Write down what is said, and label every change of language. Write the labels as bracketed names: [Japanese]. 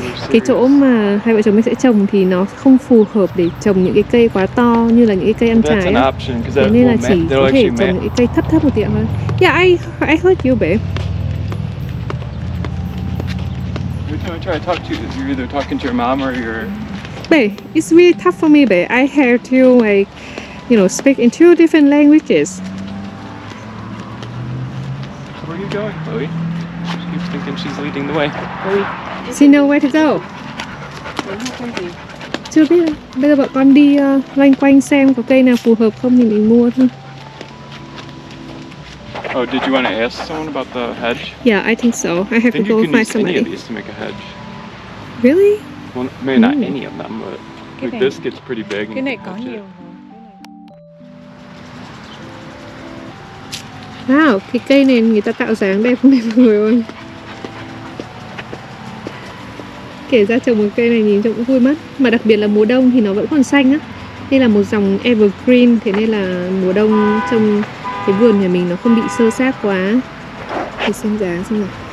[Vietnamese] Cái chỗ mà hai vợ chồng mình sẽ trồng thì nó không phù hợp để trồng những cái cây quá to như là những cái cây ăn trái. [English] That's an option, [Vietnamese] thế nên là chỉ có thể trồng những cái cây thấp thấp một tiệm thôi. [English] Yeah, I heard you, babe. Every time I try to talk to you, you're either talking to your mom or your... Babe, it's really tough for me, babe. I have to, like, you know, speak in two different languages. Where are you going, Chloe? She keeps thinking she's leading the way. Chloe, she knows where to go. [Vietnamese] Chưa biết. Bây giờ bọn con đi loanh quanh xem có cây nào phù hợp không thì mình mua thôi. [English] Oh, did you want to ask someone about the hedge? Yeah, I think so. I have then to go find somebody. You can use any of these to make a hedge. Really? Well, maybe not any of them, but like này, this gets pretty big. [Vietnamese] Cái này có nhiều. Wow, cái cây này người ta tạo dáng đẹp mọi người ơi. kể ra trồng một cây này nhìn trông cũng vui mất. Mà đặc biệt là mùa đông thì nó vẫn còn xanh á. Đây là một dòng evergreen, thế nên là mùa đông trong cái vườn nhà mình nó không bị sơ sát quá. Thì xem giá xem nào.